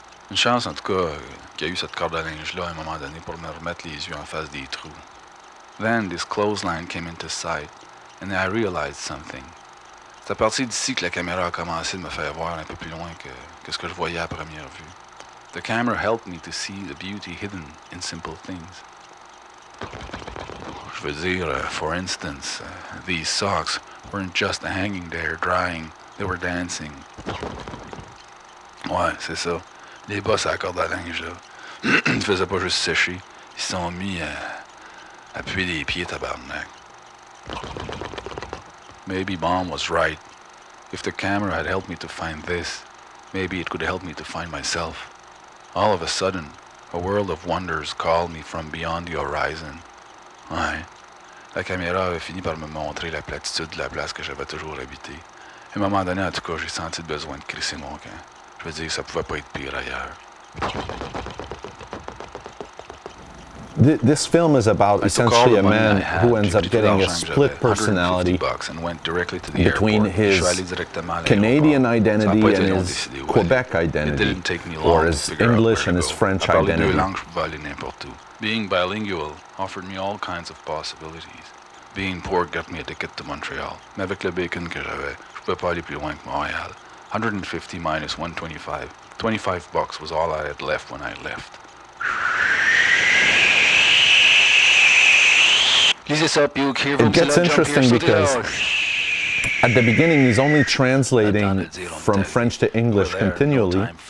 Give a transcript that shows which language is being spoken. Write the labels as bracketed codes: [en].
[fr] Une chance, en tout cas, qu'il y a eu cette corde à linge-là à un moment donné pour me remettre les yeux en face des trous. [en] Then, this clothesline came into sight, and I realized something. [fr] C'est à partir d'ici que la caméra a commencé de me faire voir un peu plus loin que ce que je voyais à première vue. [en] The camera helped me to see the beauty hidden in simple things. [fr] Je veux dire, [en] for instance, these socks weren't just hanging there, drying, they were dancing. [fr] Ouais, c'est ça. Les bas à corde à linge, là. Ils faisaient pas juste sécher. Ils se sont mis à puer les pieds, tabarnak. [en] Maybe Baum was right. If the camera had helped me to find this, maybe it could help me to find myself. All of a sudden, a world of wonders called me from beyond the horizon. Ouais. [fr] La caméra avait fini par me montrer la platitude de la place que j'avais toujours habité. Et à un moment donné, en tout cas, j'ai senti le besoin de crisser mon camp. Je veux dire, ça pouvait pas être pire ailleurs. [en] This film is about essentially a man who ends up getting a split personality between his Canadian identity and his Quebec identity, or his English and his French identity. Being bilingual offered me all kinds of possibilities. Being poor got me a ticket to Montreal. [fr] Mais avec le bacon que j'avais, je pouvais pas aller plus loin que Montréal. [en] 150 minus 125. 25 bucks was all I had left when I left. It gets interesting because at the beginning he's only translating from French to English continually.